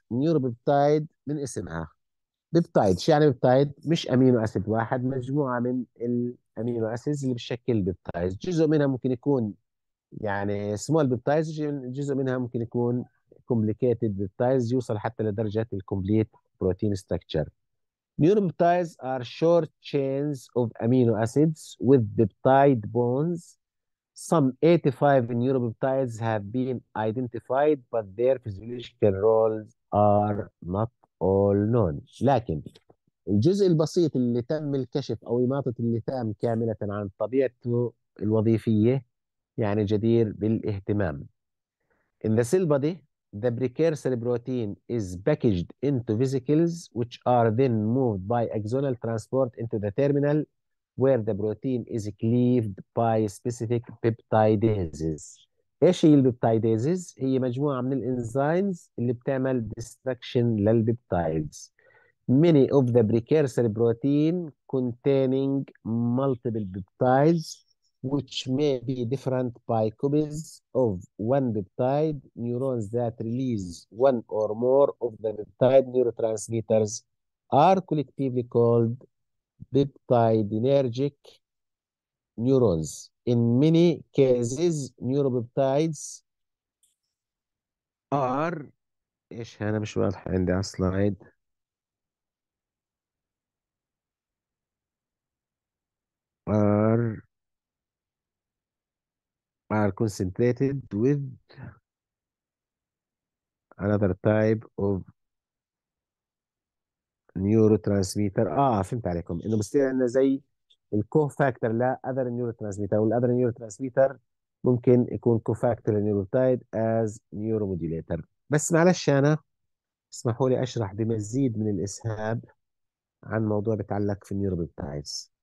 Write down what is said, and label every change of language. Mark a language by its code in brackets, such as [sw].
[ar] النيورو بيبتايد من اسمها بيبتايد، شو يعني بيبتايد؟ مش امينو اسيد واحد، مجموعه من الامينو اسيدز اللي بتشكل البيبتايد. جزء منها ممكن يكون يعني سمول بيبتايد، جزء منها ممكن يكون كومبليكيتد بيبتايد، يوصل حتى لدرجه الكومبليت بروتين ستراكشر. [en] Neuropeptides are short chains of amino acids with peptide bonds. Some 85 neuropeptides have been identified, but their physiological roles are not all known. [ar] لكن الجزء البسيط اللي تم الكشف أو إماطة اللثام كاملة عن طبيعته الوظيفية يعني جدير بالاهتمام. [en] In the cell body, the precursor protein is packaged into vesicles which are then moved by axonal transport into the terminal where the protein is cleaved by specific peptidases. [ar] ايش هي البيبتايدازز؟ هي مجموعه من الانزيمز اللي بتعمل destruction للبيبتايدز. [en] Many of the precursor protein containing multiple peptides which may be different by copies of one peptide neurons that release one or more of the peptide neurotransmitters are collectively called peptidinergic neurons. In many cases, neuropeptides are [ar] ايش انا مش واضح عندي على السلايد. [en] are concentrated with another type of neurotransmitter. [ar] فهمت عليكم، انه بصير عندنا زي الكو فاكتور لا [en] other neurotransmitter، [ar] والاذر neurotransmitter ممكن يكون كو فاكتور للنيوروبتايد [en] as neuromodulator. [ar] بس معلش انا اسمحوا لي اشرح بمزيد من الاسهاب عن موضوع بتعلق في النيوروبتايدز.